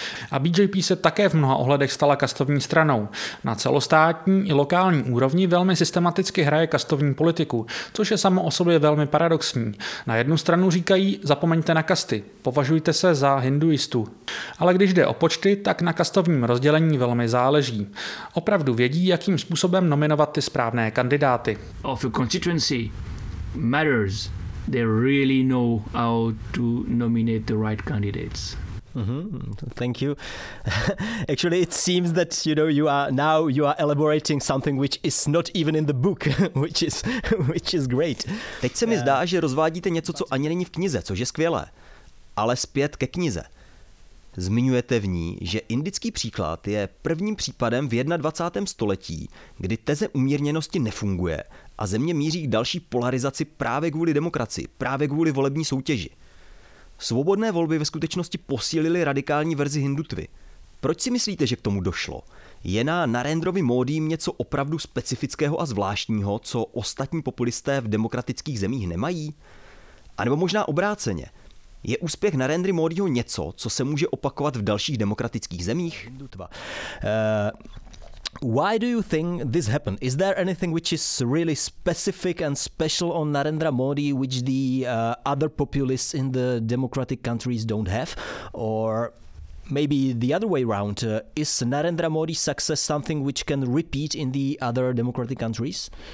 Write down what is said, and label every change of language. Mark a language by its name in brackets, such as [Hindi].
[Czech] A BJP se také v mnoha ohledech stala kastovní stranou. Na celostátní i lokální úrovni velmi systematicky hraje kastovní politiku, což je samo o sobě velmi paradoxní. Na jednu stranu říkají, zapomeňte na kasty, považujte se za hinduistu. Ale když jde o počty, tak na kastovním rozdělení velmi záleží. Opravdu vědí, jakým způsobem nominovat ty správné kandidáty. [English] Of a constituency matters. They really know how to nominate the right candidates. Thank you. Actually, it seems that you are elaborating something which is not even in the book, which is great. [Czech] Teď se mi zdá, že rozvádíte něco, co ani není v knize, což je skvělé. Ale zpět ke knize. Zmiňujete v ní, že indický příklad je prvním případem v 21. století, kdy teze umírněnosti nefunguje a země míří k další polarizaci právě kvůli demokracii, právě kvůli volební soutěži. Svobodné volby ve skutečnosti posílily radikální verzi hindutvy. Proč si myslíte, že k tomu došlo? Je na Narendrovi Modím něco opravdu specifického a zvláštního, co ostatní populisté v demokratických zemích nemají? A nebo možná obráceně. Je úspěch Narendry Modího něco, co se může opakovat v dalších demokratických zemích? [English] Why do you think this happened? Is there anything which is really specific and special on Narendra Modi which the other populists in the democratic countries don't have? Or maybe the other way around, is Narendra Modi's success something which can repeat in the other democratic countries?